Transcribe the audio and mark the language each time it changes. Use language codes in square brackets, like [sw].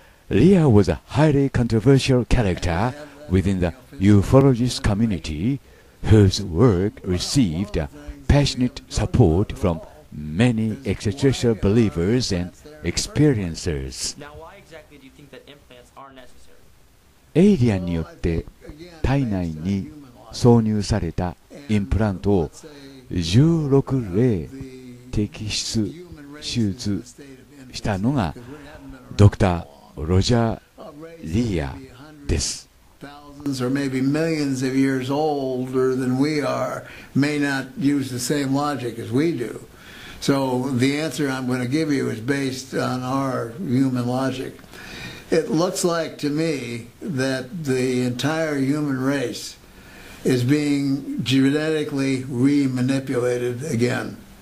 [en] Lea was a highly controversial character within the ufologist community, whose work received passionate support from many extraterrestrial believers and experiencers. Now, why exactly do you think that implants are necessary? [ja] エイリアンによって体内に挿入されたインプラントを16例摘出手術したのがドクター・ロジャー・リアです。 [en] Or maybe millions of years older than we are may not use the same logic as we do. So the answer I'm going to give you is based on our human logic. It looks like to me that the entire human race is being genetically re-manipulated again.